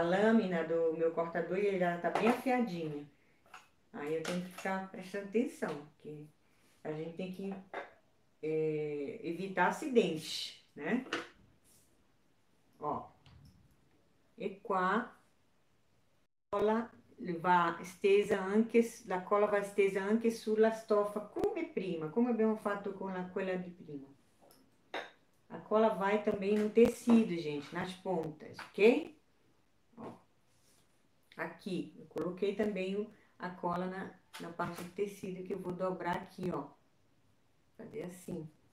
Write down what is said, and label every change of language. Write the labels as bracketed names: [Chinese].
[Portuguese] lâmina do meu cortador e ela tá bem afiadinha. Aí eu tenho que ficar prestando atenção, porque a gente tem que evitar acidentes, né? [Italian] Ó, e qua a cola va stesa anche, la cola va stesa anche sulla stoffa, come prima, come abbiamo fatto con quella di prima. [Portuguese] La cola vai também no tecido, gente, nas pontas, ok? Aqui, eu coloquei também a cola na parte do tecido que eu vou dobrar aqui, ó. Fazer assim.